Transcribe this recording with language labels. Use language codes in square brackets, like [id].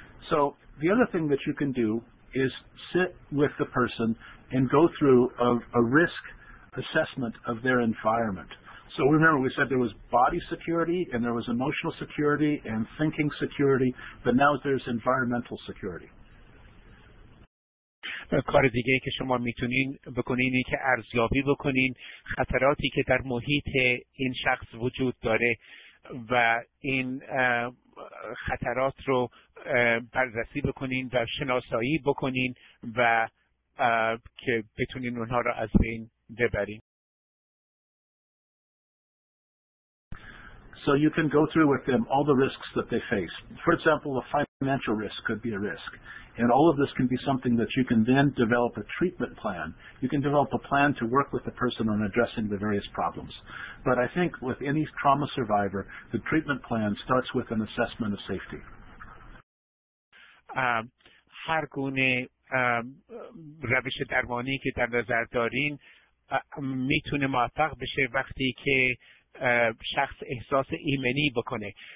[en] So the other thing that you can do is sit with the person and go through a risk assessment of their environment. So remember, we said there was body security and there was emotional security and thinking security, but now there's environmental security. [fa] کار دیگه که شما میتونین بکنین اینه که ارزیابی بکنین خطراتی که در محیط این شخص وجود داره و این خطرات رو بررسی بکنین و شناسایی بکنین و که بتونین اونها رو از بین ببرین. [en] So you can go through with them all the risks that they face. For example, a financial risk could be a risk. And all of this can be something that you can then develop a treatment plan. You can develop a plan to work with the person on addressing the various problems. But I think with any trauma survivor, the treatment plan starts with an assessment of safety. [fa] هر گونه روش درمانی که در نظر دارین میتونه موفق بشه وقتی که شخص احساس ایمنی بکنه.